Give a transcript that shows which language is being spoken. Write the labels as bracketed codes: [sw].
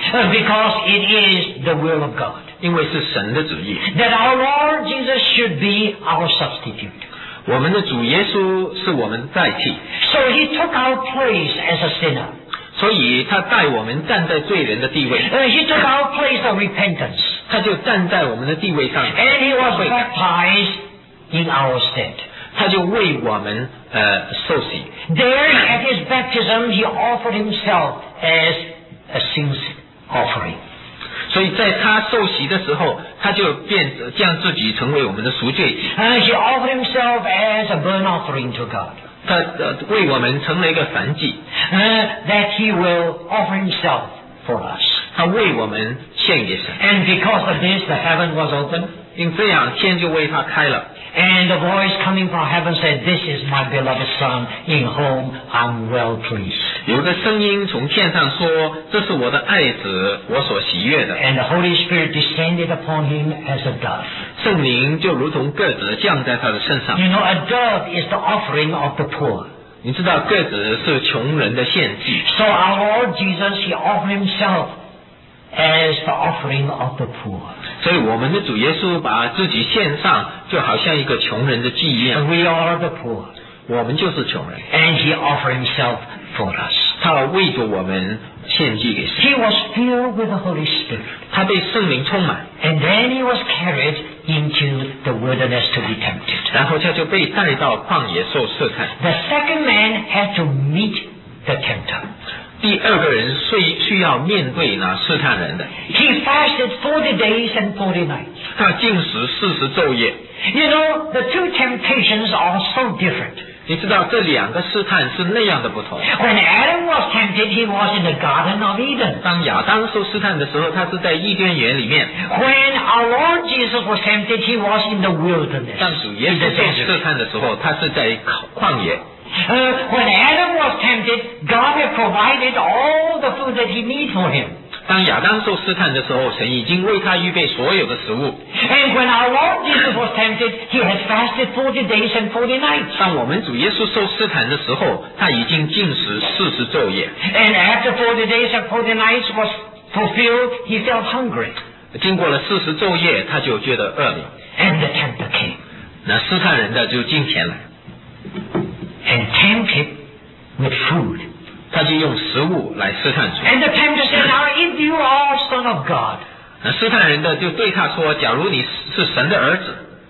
[en] Because it is the will of God. [zh] 因为是神的旨意。 [en] That our Lord Jesus should be our substitute. [zh] 我们的主耶稣是我们代替。 [en] So he took our place as a sinner. [zh] 所以他带我们站在罪人的地位。 [en] He took our place of repentance. [zh] 他就站在我们的地位上。 [en] And he was baptized in our stead. [zh] 他就为我们受洗。 [en] There at his baptism, he offered himself as a sin offering. [zh] 所以在他受洗的时候，他就变将自己成为我们的赎罪祭。 [en] He offered himself as a burnt offering to God. [zh] 他为我们成了一个燔祭。 [en] That he will offer himself for us. [zh] 他为我们献给神。 [en] And because of this, the heaven was open. [zh] 因这样，天就为他开了。 [en] And the voice coming from heaven said, "This is my beloved son, in whom I'm well pleased." [zh] 有个声音从天上说，这是我的爱子，我所喜悦的。 [en] And the Holy Spirit descended upon him as a dove. [zh] 圣灵就如同鸽子降在他的身上。 [en] You know, a dove is the offering of the poor. [zh] 你知道鸽子是穷人的献祭。 [en] So our Lord Jesus, he offered himself as the offering of the poor. [zh] 所以我们的主耶稣把自己献上，就好像一个穷人的祭宴。 [en] And we are the poor. [zh] 我们就是穷人。 [en] And he offered himself. For us. [zh] 他为着我们献祭给神。 [en] He was filled with the Holy Spirit. [zh] 他被圣灵充满。 [en] And then he was carried into the wilderness to be tempted. [zh] 然后他就被带到旷野受试探。 [en] The second man had to meet the tempter. [zh] 第二个人需要面对那试探人的。 [en] He fasted 40 days and 40 nights. [zh] 他禁食四十昼夜。 [en] You know, the two temptations are so different. [zh] 你知道这两个试探是那样的不同。 [en] When Adam was tempted, he was in the Garden of Eden. [zh] 当亚当受试探的时候，他是在伊甸园里面。 [en] When our Lord Jesus was tempted, he was in the wilderness. [zh] 当主耶稣受试探的时候，他是在旷野。 [en] When Adam was tempted, God had provided all the food that he needed for him. [zh] 当亚当受试探的时候，神已经为他预备所有的食物。 [en] And when our Lord Jesus was tempted, he had fasted 40 days and 40 nights. [zh] 当我们主耶稣受试探的时候，他已经禁食四十昼夜。 [en] And after 40 days and 40 nights was fulfilled, he felt hungry. [zh] 经过了四十昼夜，他就觉得饿了。 [en] And the tempter came. [zh] 那试探人的就进前来。 [en] And tempted with food. [zh] 他就用食物来试探主。 [en] And the tempter said, Now if you are son of God, [zh] 那试探人的就对他说，假如你是神的儿子，